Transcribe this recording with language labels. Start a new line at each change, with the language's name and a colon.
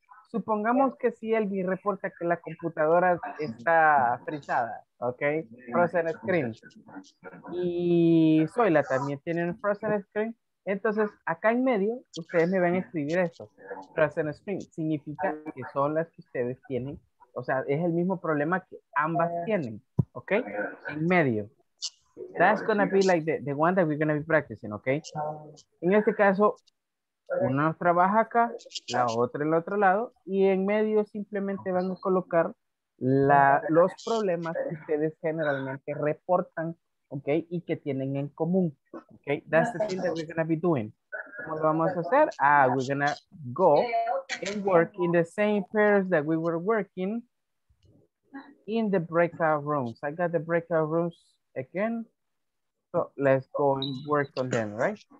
Spanish: Supongamos que si Elvin reporta que la computadora está frizada, ¿ok?
English: Frozen screen.
Spanish: Y Zoila también tiene un
English: frozen screen.
Spanish: Entonces, acá en medio, ustedes me van a escribir eso. Frozen screen significa que son las que ustedes tienen. O sea, es el mismo problema que ambas tienen. Okay, en medio.
English: That's gonna be like the one that we're gonna be practicing, okay?
Spanish: En este caso, una trabaja acá, la otra en el otro lado, y en medio simplemente van a colocar la, los problemas que ustedes generalmente reportan, okay, y que tienen en común, okay?
English: That's the thing that we're gonna be doing.
Spanish: ¿Cómo lo vamos a hacer?
English: Ah, we're gonna go and work in the same pairs that we were working in the breakout rooms. I got the breakout rooms again. So let's go and work on them, right?